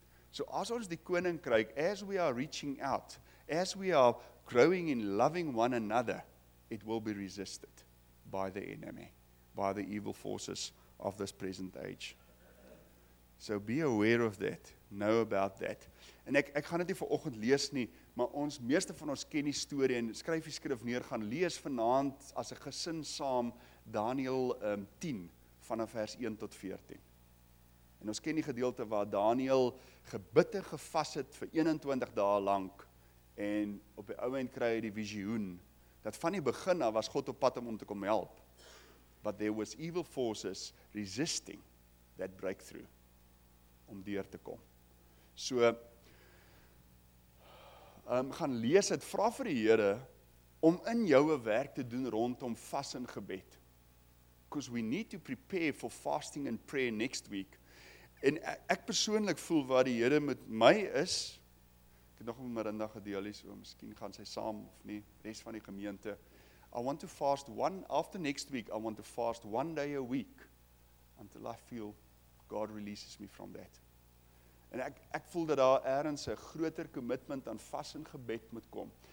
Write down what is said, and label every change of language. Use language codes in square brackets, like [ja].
[af] So as ons die koninkryk, [en] as we are reaching out, as we are growing in loving one another, it will be resisted by the enemy, by the evil forces of this present age. So be aware of that. know about that. [af] En ek gaan dit nie vir oggend lees nie, maar ons meeste van ons ken die storie en skryf die skrif neer, gaan lees vanaand as 'n gesin saam Daniël 10 vanaf vers 1 tot 14. En ons ken die gedeelte waar Daniël gebid en gevas het vir 21 dae lank en op die ou end kry hy die visioen dat van die begin af was God op pad om hom te kom help. [en] But there was evil forces resisting that breakthrough [af] om deur te kom. So gaan lees dit, vra vir die Here om in jou 'n werk te doen rondom vas en gebed. [en] Because we need to prepare for fasting and prayer next week. [af] En ek persoonlik voel waar die Here met my is. Ek het nog 'n Miranda gedeel hier, so miskien gaan sy saam of nie, res van die gemeente. [en] I want to fast one after next week. I want to fast one day a week until I feel God releases me from that. [af] En ek voel dat daar ergens 'n groter commitment aan vas en gebed moet kom.